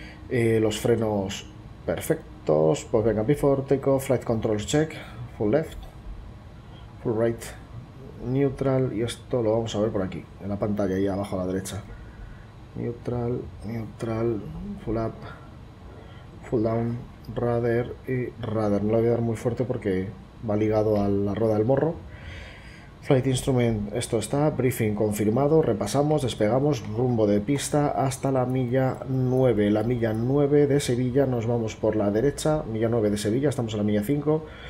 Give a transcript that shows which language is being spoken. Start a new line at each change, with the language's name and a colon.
Spanish: Los frenos perfectos. Pues venga,
English: before takeoff, flight controls check. Full left, full right, neutral.
Spanish: Y esto lo vamos a ver por aquí, en la pantalla, ahí abajo a la derecha.
English: Neutral, neutral, full up, full down, rudder y rudder.
Spanish: No lo voy a dar muy fuerte porque va ligado a la rueda del morro. Flight instrument, esto está. Briefing confirmado. Repasamos, despegamos. Rumbo de pista hasta la milla 9. La milla 9 de Sevilla. Nos vamos por la derecha. Milla 9 de Sevilla. Estamos en la milla 5.